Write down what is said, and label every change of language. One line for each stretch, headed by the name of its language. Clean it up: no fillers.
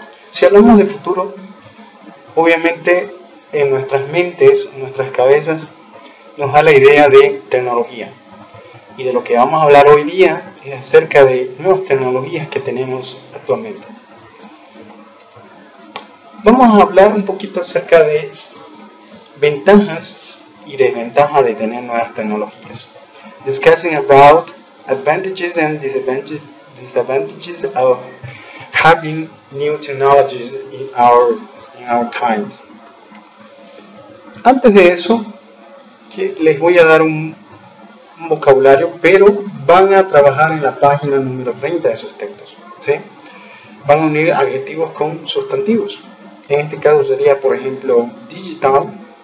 Spanish: Si hablamos de futuro, obviamente en nuestras mentes, en nuestras cabezas, nos da la idea de tecnología. Y de lo que vamos a hablar hoy día es acerca de nuevas tecnologías que tenemos actualmente. Vamos a hablar un poquito acerca de ventajas y desventajas de tener nuevas tecnologías.
English: Discussing about advantages and disadvantages of having new technologies in our times.
Spanish: Antes de eso, les voy a dar un vocabulario, pero van a trabajar en la página número 30 de sus textos, ¿sí? Van a unir adjetivos con sustantivos. En este caso sería, por ejemplo, digital.